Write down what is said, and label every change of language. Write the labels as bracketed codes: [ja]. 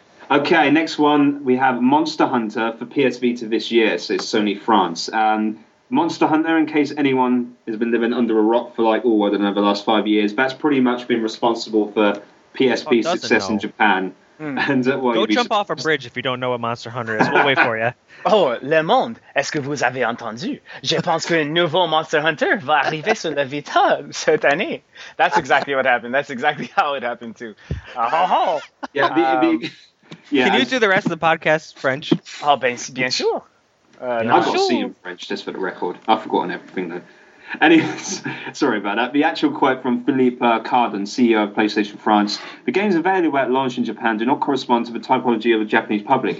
[en] Okay, next one, we have Monster Hunter for PS Vita this year, so it's Sony France. Monster Hunter, in case anyone has been living under a rock for like, I don't know, the last 5 years, that's pretty much been responsible for PSP success in Japan. And jump off a bridge if you don't know what Monster Hunter is. We'll wait for you. [fr] Oh, Le Monde, est-ce que vous avez entendu? Je pense que un nouveau Monster Hunter va arriver sur la Vita cette année. [en] That's exactly what happened. That's exactly how it happened, too. Can you do the rest of the podcast French? [fr] Oh, bien sûr. [en] I've got C in French, just for the record. I've forgotten everything, though. Anyways, sorry about that. The actual quote from Philippe Cardon, CEO of PlayStation France: the games available at launch in Japan do not correspond to the typology of the Japanese public.